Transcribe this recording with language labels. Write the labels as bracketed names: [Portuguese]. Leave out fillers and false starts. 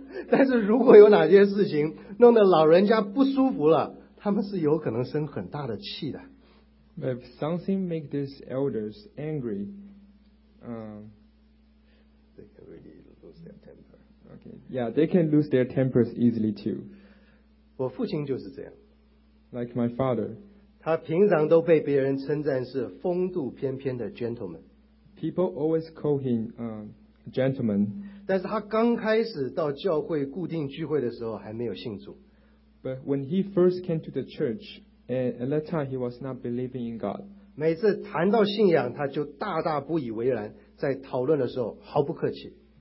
[Chinese] 但是如果有哪件事情弄得老人家不舒服了，他们是有可能生很大的气的。 [English] If something makes these elders angry, they can really lose their temper. Okay. Yeah, they can lose their tempers easily too. [Chinese] 我父亲就是这样。 [English] Like my father. [Chinese] 他平常都被别人称赞是风度翩翩的 gentleman. [English] People always call him gentleman. [Chinese] 但是他刚开始到教会固定聚会的时候还没有信主。 [English] But when he first came to the church,And at that time, he was not believing in God. [Chinese] 每次谈到信仰，他就大大不以为然，在讨论的时候毫不客气。